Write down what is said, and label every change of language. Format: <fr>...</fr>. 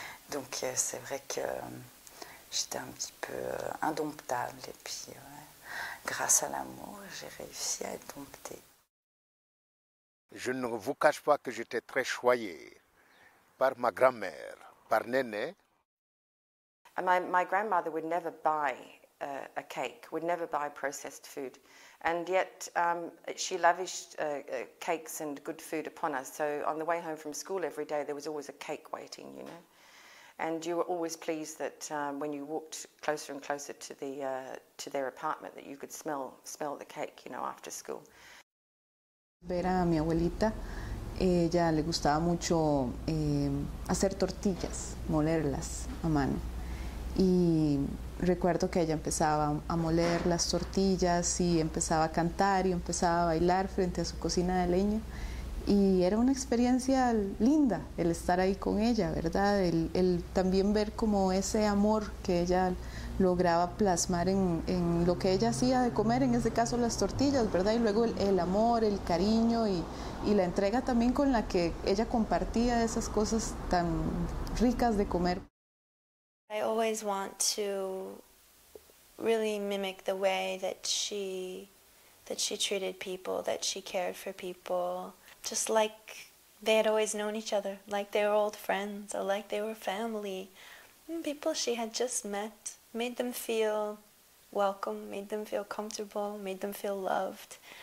<fr>Donc c'est vrai que j'étais un petit peu indomptable, et puis ouais, grâce à l'amour, j'ai réussi à être domptée. Je ne vous cache pas que j'étais très choyée par ma grand-mère, par Néné.</fr> <en>My grandmother would never buy a cake, would never buy processed food. And yet she lavished cakes and good food upon us. So on the way home from school every day, there was always a cake waiting, you know. And you were always pleased that when you walked closer and closer to the to their apartment, that you could smell the cake, you know, after school.</en> <es>Ver a mi abuelita, ella le gustaba mucho hacer tortillas, molerlas a mano. Y recuerdo que ella empezaba a moler las tortillas y empezaba a cantar y empezaba a bailar frente a su cocina de leña. Y era una experiencia linda el estar ahí con ella, ¿verdad? El también ver como ese amor que ella lograba plasmar en lo que ella hacía de comer, en este caso las tortillas, ¿verdad? Y luego el amor, el cariño y la entrega también con la que ella compartía esas cosas tan ricas de comer.</es> <en>I always want to really mimic the way that she treated people, that she cared for people, just like they had always known each other, like they were old friends or like they were family. And people she had just met made them feel welcome, made them feel comfortable, made them feel loved.</en>